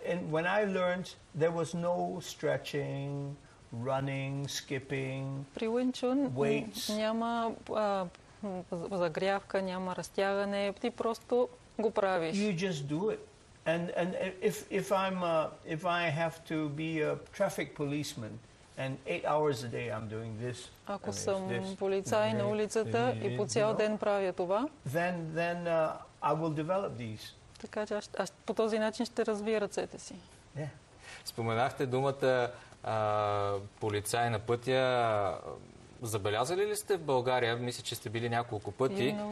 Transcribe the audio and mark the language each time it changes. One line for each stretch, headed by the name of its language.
English: When I learned, there was no stretching, running, skipping,
Bulgarian: при Wing Chun
English: weights.
Bulgarian: Няма загрявка, няма разтягане. Ти просто го правиш.
English: You just do it. And if I have to be a traffic policeman and 8 hours a day I'm doing this.
Bulgarian: Ако съм полицай на улицата и по цял ден правя това.
English: Then I will develop these.
Bulgarian: Така че аз по този начин ще развия ръцете си.
English: Yeah.
Bulgarian: Споменахте думата полицай на пътя. Забелязали ли сте в България? Мисля, че сте били няколко пъти.